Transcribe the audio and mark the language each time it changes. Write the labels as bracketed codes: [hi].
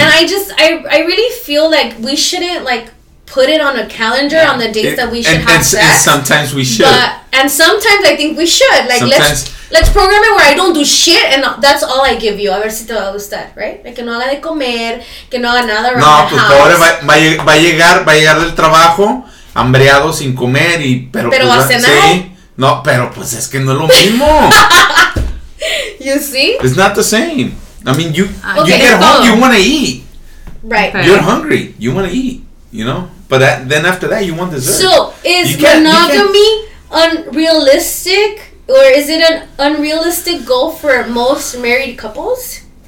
[en] And I really feel like we shouldn't, like, put it on a calendar on the days that we should have sex. And sometimes we should. And sometimes I think we should. Like, sometimes. Let's program it where I don't do shit and that's all I give you. [es] A ver si te va a gustar, [en] right? [es] Like, que no haga de comer, que no haga nada around [en] the house. [es] No, pues pobre, va a llegar del trabajo, hambreado, sin comer y... Pero va a cenar. Sí. No, pero pues es que no es lo mismo. [en] You see? It's not the same. I mean, you get home, you want to eat. Right. Okay. You're hungry, you want to eat, you know? But then after that, you want dessert. So, is monogamy unrealistic? Or is it an unrealistic goal for most married couples?